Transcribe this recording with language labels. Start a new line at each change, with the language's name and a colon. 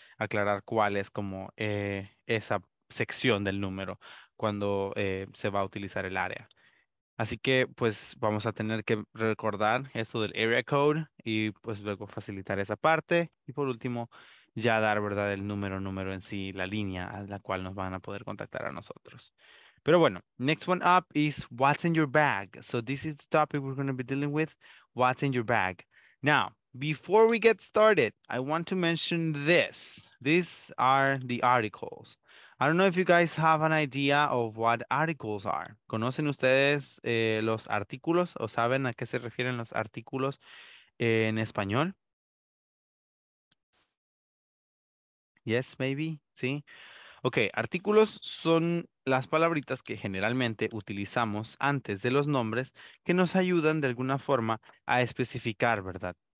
Spanish: Aclarar cuál es como esa sección del número cuando se va a utilizar el área. Así que, pues, vamos a tener que recordar eso del area code y, pues, luego facilitar esa parte. Y, por último, ya dar, ¿verdad?, el número en sí, la línea a la cual nos van a poder contactar a nosotros.
English: Pero bueno, next one up is what's in your bag. So this is the topic we're going to be dealing with, what's in your bag. Now, before we get started, I want to mention this. These are the articles. I don't know if you guys have an idea of what articles are.
Spanish: ¿Conocen ustedes los artículos o saben a qué se refieren los artículos en español?
English: Yes, maybe,
Spanish: sí.
English: Okay,
Spanish: artículos son las palabritas que generalmente utilizamos antes de los nombres que nos ayudan de alguna forma a especificar, ¿verdad?